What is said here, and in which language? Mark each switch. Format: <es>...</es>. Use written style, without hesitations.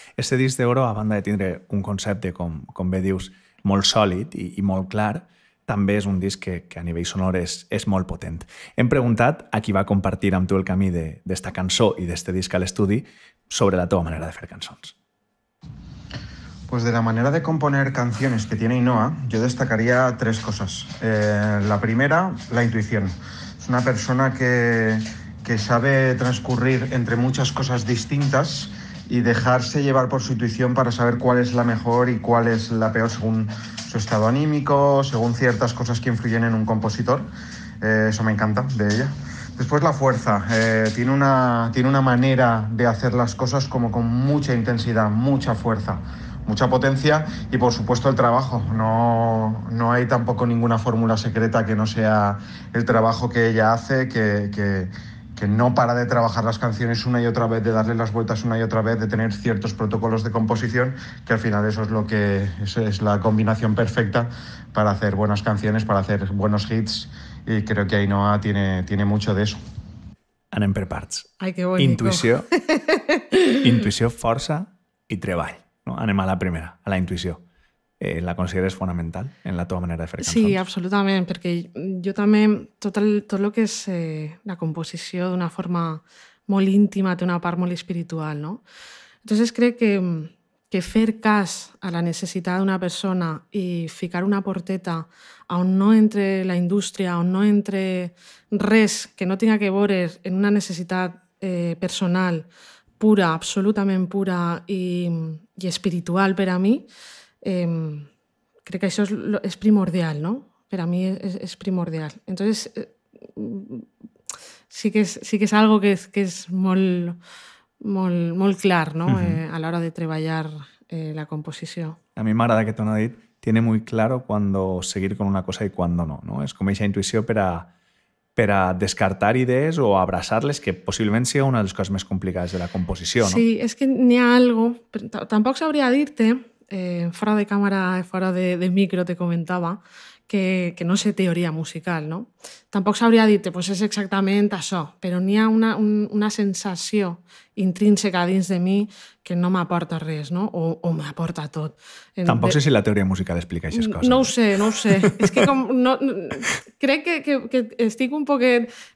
<ca>Este disc d'Oro, a banda de tindre un concepte, com bé dius, molt sòlid i molt clar, també és un disc que a nivell sonor és molt potent. Hem preguntat a qui va compartir amb tu el camí d'esta cançó i d'este disc a l'estudi sobre la teva manera de fer cançons.</ca> <es>Pues de la manera de componer canciones que tiene Inoa, yo destacaría tres cosas. La primera, la intuición. Es una persona que sabe transcurrir entre muchas cosas distintas y dejarse llevar por su intuición para saber cuál es la mejor y cuál es la peor según su estado anímico, según ciertas cosas que influyen en un compositor. Eso me encanta de ella. Después la fuerza. Tiene una manera de hacer las cosas como con mucha intensidad, mucha fuerza, mucha potencia y, por supuesto, el trabajo. No hay tampoco ninguna fórmula secreta que no sea el trabajo que ella hace, que no para de trabajar las canciones una y otra vez, de darle las vueltas una y otra vez, de tener ciertos protocolos de composición, que al final eso es lo que es la combinación perfecta para hacer buenas canciones, para hacer buenos hits, y creo que Ainhoa tiene mucho de eso.</es> <ca>Anem per parts. Ai, que bonico. Intuïció, intuïció, força i treball. No? Anem a la primera, a la intuïció. La consideres fonamental en la teva manera de fer cançons? Sí, absolutament, perquè jo també tot el que és la composició d'una forma molt íntima té una part molt espiritual, no? Entonces crec que fer cas a la necessitat d'una persona i ficar una porteta on no entre la indústria, on no entre res que no tinga que veure en una necessitat personal pura, absolutament pura i espiritual per a mi, crec que això és primordial, no? Per a mi és primordial. Entonces, sí que és algo que és molt, molt clar, no? Uh-huh. A l'hora de treballar la composició. A mi m'agrada que t'ho ha dit.</ca> <es>Tiene muy claro cuando seguir con una cosa y cuando no, ¿no? Es como esa intuición para descartar ideas o abrazarles, que posiblemente sea una de las cosas más complicadas de la composición, ¿no? Sí, es que ni algo, tampoco sabría decirte, fuera de cámara, fuera de micro te comentaba, que no sé teoría musical, ¿no? Tampoco sabría decirte, pues es exactamente eso, pero ni una sensación intrínseca</es> <ca>dins</ca> <es>de mí que no me aporta</es> <ca>res,</ca> <es>¿no? O me aporta</es> <ca>tot. Tampoc sé si la teoria musical explica aquestes coses. No ho sé, no ho sé. És que com, no, crec que estic un poquet...</ca>